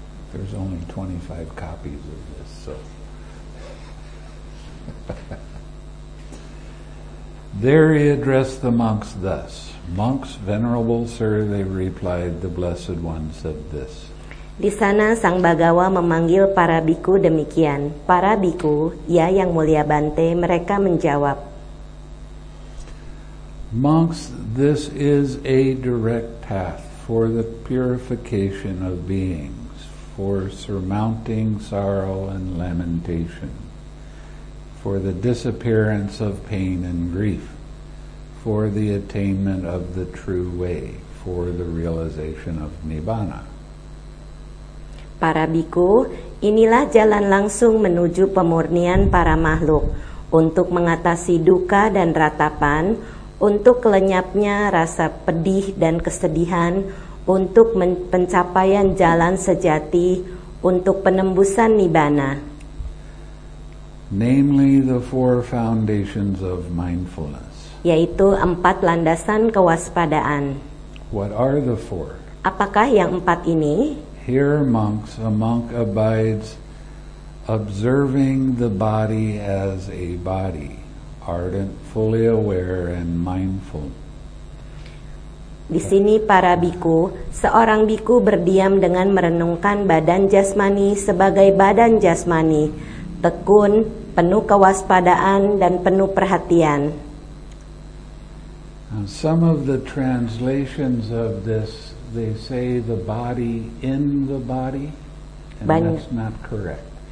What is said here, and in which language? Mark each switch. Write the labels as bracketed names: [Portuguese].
[English] There's only 25 copies of this, so... There he addressed the monks thus. Monks, venerable sir, they replied, the blessed one said this. [Indonesian] Di sana Sang Bhagawa memanggil para bhikkhu demikian. Para bhikkhu, ya yang mulia Bante, mereka menjawab. [English] Monks, this is a direct path for the purification of beings, for surmounting sorrow and lamentation, for the disappearance of pain and grief, for the attainment of the true way, for the realization of Nibbana. [Indonesian] Para bhikkhu, inilah jalan langsung menuju pemurnian para makhluk, untuk mengatasi duka dan ratapan, untuk lenyapnya rasa pedih dan kesedihan, untuk pencapaian jalan sejati, untuk penembusan Nibbana. [English] Namely the four foundations of mindfulness. [Indonesian] Yaitu empat landasan kewaspadaan. [English] What are the four? [Indonesian] Apakah yang empat ini? [English] Here, monks, a monk abides observing the body as a body, ardent, fully aware, and mindful. [Indonesian] Di sini para bhikkhu, seorang bhikkhu berdiam dengan merenungkan badan jasmani sebagai badan jasmani, tekun, penuh kewaspadaan, dan penuh perhatian. [English] And some of the translations of this, they say the body in the body, and that's not correct.